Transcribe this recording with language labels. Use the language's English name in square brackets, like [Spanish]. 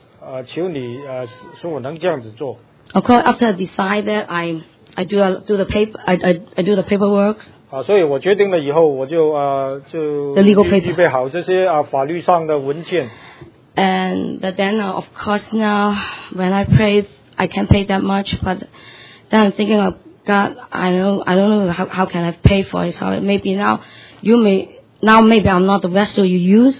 [Chinese] 我就向主祷告，假如你要我这样子做的话，求你说我能这样子做。 [English] Of course, after I decide that, I do the paperwork. [Chinese] 所以我决定了以后，我就 [English] legal paper. [Chinese] 预备好这些法律上的文件。 [English] And but then of course now when I pray, I can't pay that much. But then I'm thinking of God. I don't know how can I pay for it. So maybe now maybe I'm not the vessel you use.